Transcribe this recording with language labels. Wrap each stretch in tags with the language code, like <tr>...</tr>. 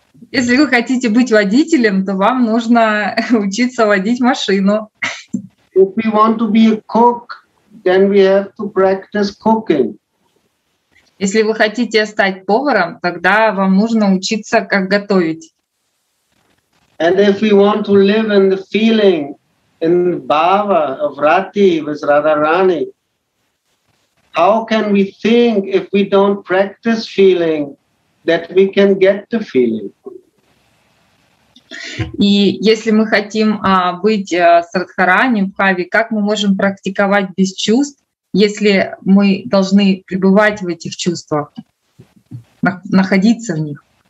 <ru>Если вы хотите быть водителем, то вам нужно учиться водить машину.</ru> <en>If we want to be a cook, then we have to practice cooking.</en> <ru>Если вы хотите стать поваром, тогда вам нужно учиться, как готовить.</ru> <en>And if we want to live in the feeling, in bhava of rati with Radharani, how can we think if we don't practice feeling that we can get the feeling?</en> <ru>И если мы хотим быть с Радхарани в бхаве, как мы можем практиковать без чувств, если мы должны пребывать в этих чувствах, находиться в них?</ru>